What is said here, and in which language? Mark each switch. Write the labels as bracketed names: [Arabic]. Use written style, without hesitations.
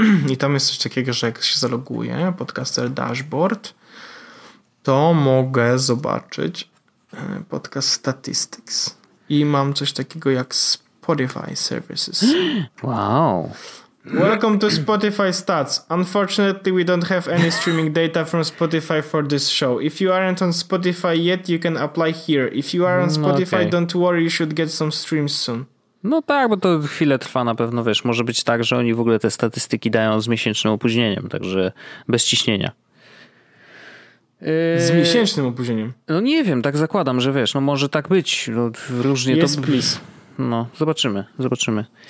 [Polish] I tam jest coś takiego, że jak się zaloguję, podcaster dashboard, to mogę zobaczyć podcast statistics. I mam coś takiego jak Spotify services. Wow. [English] Welcome to Spotify Stats. Unfortunately, we don't have any streaming data from Spotify for this show. If you aren't on Spotify yet, you can apply here. If you are on Spotify, okay, don't worry, you should get some streams soon. [Polish] No tak, bo to chwilę trwa na pewno, wiesz. Może być tak, że oni w ogóle te statystyki dają z miesięcznym opóźnieniem, także bez ciśnienia. Z miesięcznym opóźnieniem? No nie wiem, tak zakładam, że wiesz, no może tak być. No, różnie [English] yes, [Polish] to... [English] please. [Polish] No, zobaczymy, zobaczymy.